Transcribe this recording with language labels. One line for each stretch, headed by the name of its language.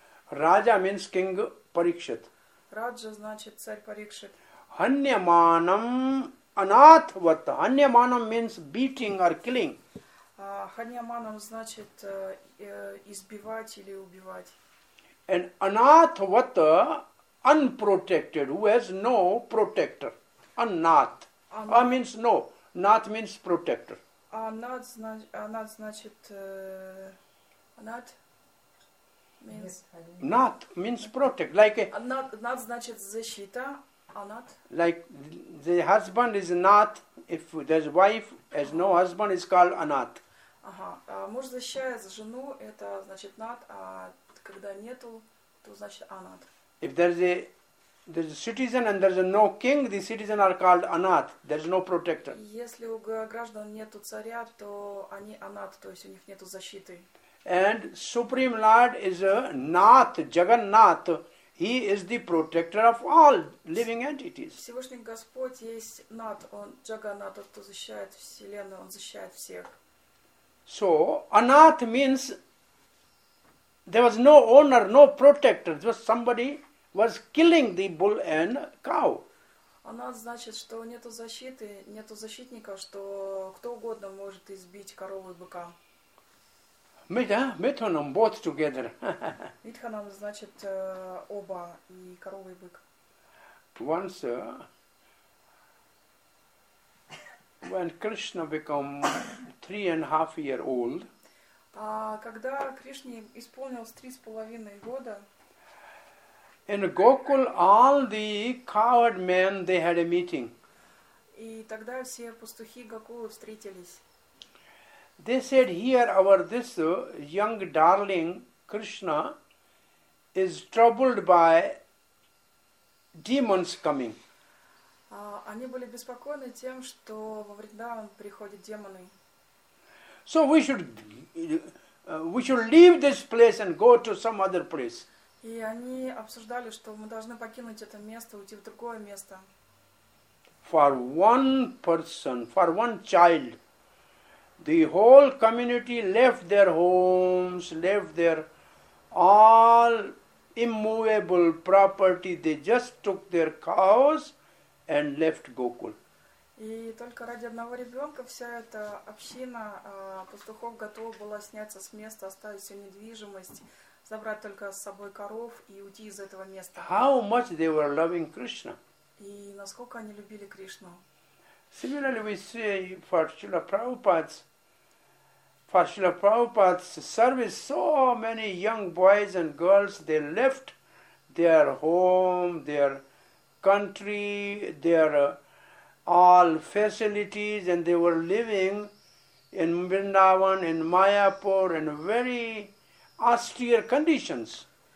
English: Raja means king Parikshit.
Russian: Раджа значит царь Парикшит.
Sanskrit: Ханьяманам анатхват.
English: Ханьяманам means beating or killing.
Russian: Ханьяманам значит избивать или убивать.
English: And анатхват unprotected, who has no protector. Анат. А means no. Нат means protector.
Russian: Анат значит анат. Means.
English: Not means protect, like a.
Russian: Not значит защита, а not.
English: Like the husband is not, if there's wife, has no husband, is called anat.
Russian: Ага, муж защищает жену, это значит not, а когда нету, то значит anat.
English: If there's a citizen and there's no king, the citizen are called anat. There's no protector.
Russian: Если у граждан нету царя, то они anat, то есть у них нету защиты.
English: And Supreme Lord is Nath, Jagannath. He is the protector of all living entities.
Russian: Всевышний Господь есть Nath, он Jagannath, тот, кто защищает вселенную, он защищает всех.
English: So Anath means there was no owner, no protector. Just somebody was killing the bull and cow.
Russian: Anath значит, что нету защиты, нету защитника, что кто угодно может избить корову и быка.
English: Mithunam, both together.
Russian: Mithunam значит оба и корова и бык.
English: Once when Krishna became 3.5 years old.
Russian: Когда Кришне исполнилось 3.5 года.
English: In Gokul, all the coward men they had a meeting.
Russian: И тогда все пастухи Гокулы встретились.
English: They said, here our this young darling Krishna is troubled by demons coming.
Russian: Они были беспокоены тем, что во Вриндаван приходят демоны.
English: So we should we should leave this place and go to some other place.
Russian: И они обсуждали, что мы должны покинуть это место, уйти в другое место.
English: For one person, for one child, the whole community left their homes, left their all immovable property. They just took their cows and left Gokul.
Russian: И только ради одного ребенка вся эта община пастухов готова была сняться с места, оставить всю недвижимость, забрать только с собой коров и уйти из этого места.
English: How much they were loving Krishna.
Russian: И насколько они любили Кришну.
English: Similarly, we say for Srila Prabhupada's, for Srila Prabhupada's service, so many young boys and girls, they left their home, their country, their all facilities, and they were living in Vrindavan, in Mayapur, in very austere conditions.